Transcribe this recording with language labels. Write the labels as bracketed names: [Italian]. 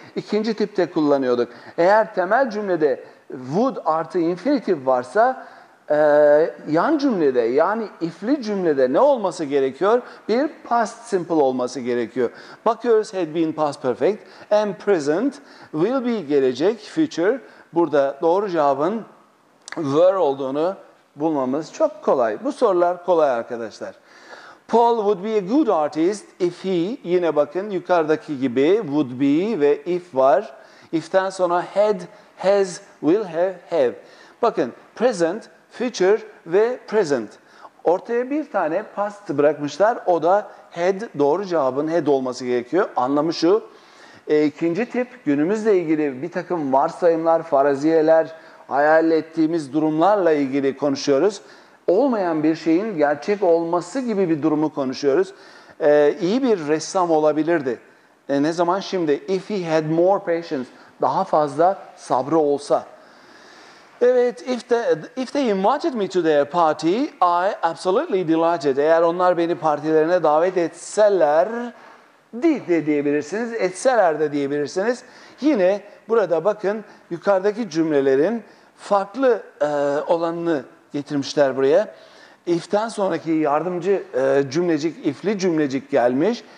[Turkish] İkinci tipte kullanıyorduk. Eğer temel cümlede would artı infinitive varsa yan cümlede yani if'li cümlede ne olması gerekiyor? Bir past simple olması gerekiyor. Bakıyoruz had been past perfect and present will be gelecek future. Burada doğru cevabın were olduğunu bulmamız çok kolay. Bu sorular kolay arkadaşlar. [English] Paul would be a good artist if he, [Turkish] yine bakın yukarıdaki gibi would be ve if var. If'ten sonra had, has, will have. Bakın present, future ve present. Ortaya bir tane past bırakmışlar. O da had, doğru cevabın had olması gerekiyor. Anlamı şu. İkinci tip günümüzle ilgili bir takım varsayımlar, faraziyeler, hayal ettiğimiz durumlarla ilgili konuşuyoruz. Olmayan bir şeyin gerçek olması gibi bir durumu konuşuyoruz. İyi bir ressam olabilirdi. Ne zaman? Şimdi. [English] If he had more patience, [Turkish] daha fazla sabrı olsa. [English] Evet, if they invited me to their party, I absolutely delighted. [Turkish] Eğer onlar beni partilerine davet etseler, de diyebilirsiniz, etseler de diyebilirsiniz. Yine burada bakın yukarıdaki cümlelerin farklı olanını getirmişler buraya. If'ten sonraki yardımcı cümlecik, if'li cümlecik gelmiş.